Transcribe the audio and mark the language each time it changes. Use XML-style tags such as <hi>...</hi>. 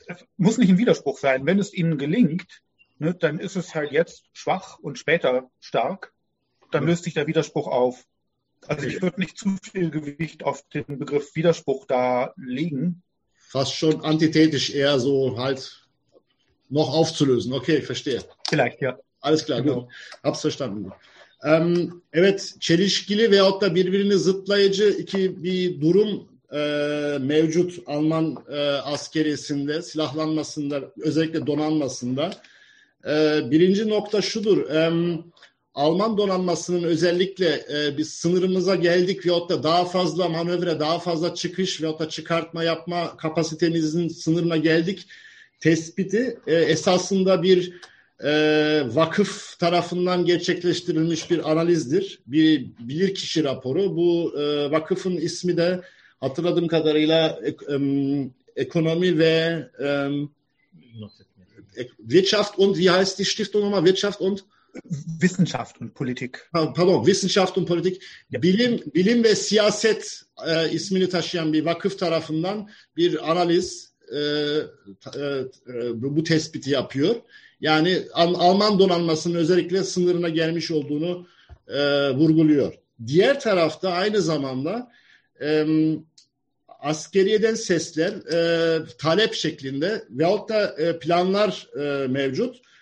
<de>Es muss nicht ein Widerspruch sein. Wenn es Ihnen gelingt, ne, dann ist es halt jetzt schwach und später stark. Dann löst sich der Widerspruch auf. Also okay. Ich würde nicht zu viel Gewicht auf den Begriff Widerspruch da legen. Fast schon antithetisch, eher so halt noch aufzulösen. Okay, ich verstehe. Vielleicht, ja. Alles klar, genau. Hab's verstanden.</de> <tr>Evet, çelişkili veyahut da birbirini zıtlayıcı iki bir durum mevcut Alman askerisinde, silahlanmasında, özellikle donanmasında. Birinci nokta şudur. Alman donanmasının özellikle biz sınırımıza geldik veyahut da daha fazla manövre, daha fazla çıkış veyahut da çıkartma yapma kapasitemizin sınırına geldik tespiti esasında bir vakıf tarafından gerçekleştirilmiş bir analizdir. Bir bilirkişi raporu. Bu vakıfın ismi de hatırladığım kadarıyla ekonomi ve</tr> <de>Wirtschaft und, wie heißt die Stiftung nochmal? Wirtschaft und Wissenschaft und Politik. Pardon, Wissenschaft und Politik. Ja.</de> <tr>Bilim ve siyaset ismini taşıyan bir vakıf tarafından bir analiz bu tespiti yapıyor. Yani Alman donanmasının özellikle sınırına gelmiş olduğunu vurguluyor. Diğer tarafta aynı zamanda askeriyeden sesler talep şeklinde veyahut da planlar mevcut.</tr>